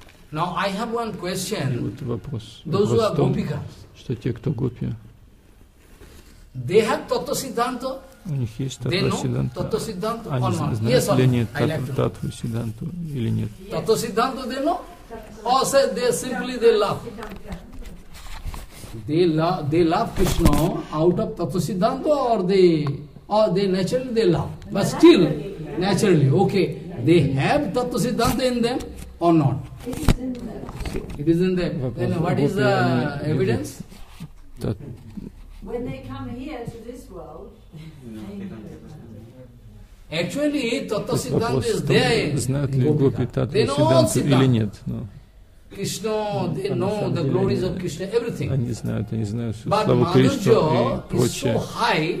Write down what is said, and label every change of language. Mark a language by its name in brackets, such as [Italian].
[English] Now I have one question. [Russian] Вот вопрос. [English] Those who are gopikas. [Russian] Что те, кто гопи? [English] They have Татва Сидданта. [Russian] У них есть Татва Сидданта. Татва Сидданта. Они знают или нет Татва Сидданта или нет? [English] Татва Сидданта, they know. Or say they simply they love Krishna out of Tattva Siddhanta or they naturally they love but still naturally okay they have Tattva Siddhanta in them or not? It is in them. Then what is the evidence? When they come here to this world. Actually, Tattva Siddhanta is there. [Russian] Знают ли гопи Tattva Siddhanta или нет? [English] Krishna, they know the glories of Krishna, everything. [Russian] Они знают всю славу Кришны и прочее.